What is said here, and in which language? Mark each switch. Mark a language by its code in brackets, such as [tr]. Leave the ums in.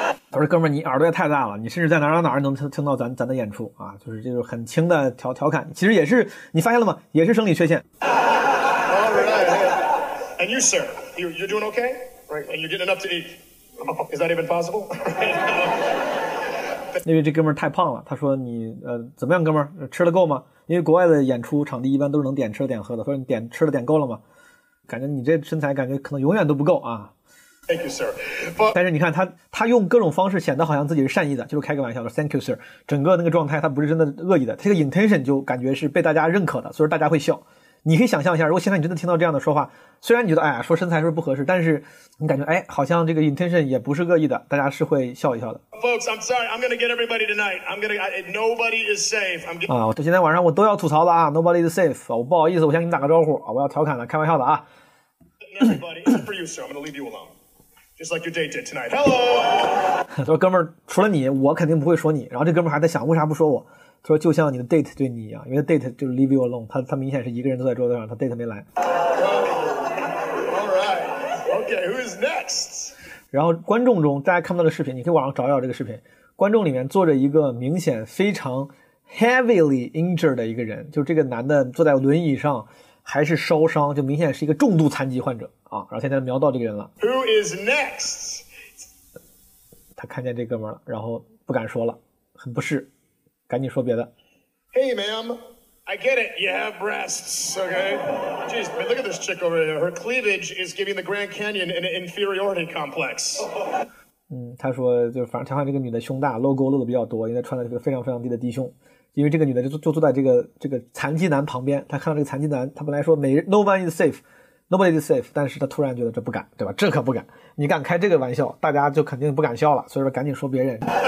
[zh] 他说：“哥们儿，你耳朵也太大了，你甚至在哪哪哪能听听到咱咱的演出啊？就是这种很轻的调调侃，其实也是你发现了吗？也是生理缺陷。” [en] And you, sir, you you're doing okay, right? And you're getting enough to eat. Is that even possible? [zh] 因为这哥们儿太胖了，他说你呃怎么样，哥们儿、呃、吃的够吗？因为国外的演出场地一般都是能点吃的点喝的，所以你点吃的点够了吗？感觉你这身材感觉可能永远都不够啊。 [en] Thank you, sir.、But、 [zh] 但是你看他他用各种方式显得好像自己是善意的，就是开个玩笑的。 [en] Thank you, sir. [zh] 整个那个状态他不是真的恶意的，这个 intention 就感觉是被大家认可的，所以大家会笑。你可以想象一下，如果现在你真的听到这样的说话，虽然你觉得哎呀说身材是不合适，但是你感觉哎，好像这个 intention 也不是恶意的，大家是会笑一笑的。 [en] Folks, I'm sorry, I'm gonna get everybody tonight. I'm gonna, nobody is safe. [zh] 啊，今天晚上我都要吐槽了啊， [en] nobody is safe。 [zh] 我不好意思，我先给你打个招呼啊，我要调侃了，开玩笑的啊。 [en] e e v r y b o d y is for you, sir. I'm gonna leave you alone, just like your date did tonight. Hello。 [zh] 说哥们儿，除了你，我肯定不会说你。然后这哥们儿还在想，为啥不说我？他说：“就像你的 date 对你一样，因为 date 就是 [en] leave you alone [zh] 他。他他明显是一个人坐在桌子上，他 date 没来。 [en] Oh, all right. okay, who is next? [zh] 然后观众中大家看不到的视频，你可以网上找一找这个视频。观众里面坐着一个明显非常 heavily injured 的一个人，就这个男的坐在轮椅上，还是烧伤，就明显是一个重度残疾患者啊。然后现在瞄到这个人了 [en] ，Who is next？ [zh] 他看见这哥们了，然后不敢说了，很不适。 ”赶紧说别的。 [en] Hey, ma'am, I get it. You have breasts, okay? Jeez, look at this chick over here. Her cleavage is giving the Grand Canyon an inferiority complex. [zh] 嗯，他说就反正他看这个女的胸大，露沟露的比较多，应该穿的就是非常非常低的低胸。因为这个女的就就坐在这个这个残疾男旁边，他看到这个残疾男，他本来说 [en] n o one is safe, [zh] nobody is safe，但是他突然觉得这不敢，对吧？这可不敢，你敢开这个玩笑，大家就肯定不敢笑了。所以说赶紧说别人。